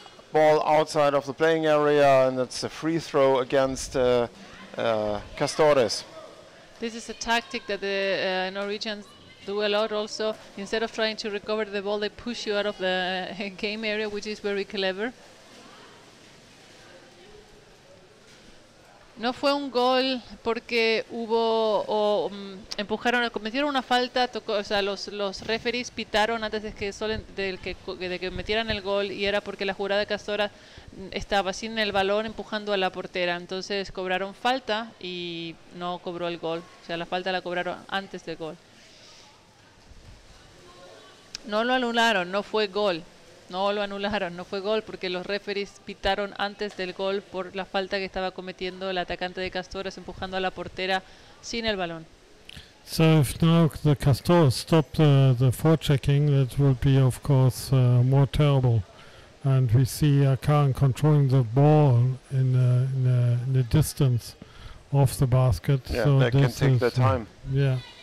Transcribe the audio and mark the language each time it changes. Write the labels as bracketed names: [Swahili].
[English] Ball outside of the playing area, and it's a free throw against Castores. This is a tactic that the Norwegians do a lot also. Instead of trying to recover the ball, they push you out of the game area, which is very clever. [Spanish] No fue un gol porque hubo o empujaron, cometieron una falta, tocó, o sea, los referees pitaron antes de que metieran el gol, y era porque la jugada Castora estaba sin el balón empujando a la portera. Entonces cobraron falta y no cobró el gol. O sea, la falta la cobraron antes del gol. No lo anularon, no fue gol. No lo anularon, no fue gol, porque los referees pitaron antes del gol por la falta que estaba cometiendo el atacante de Castores empujando a la portera sin el balón. [English] So if now the Castores stop the forechecking, that would be of course more terrible. And we see Akkaren controlling the ball in the distance of the basket. Yeah, so that this can take the time. Yeah.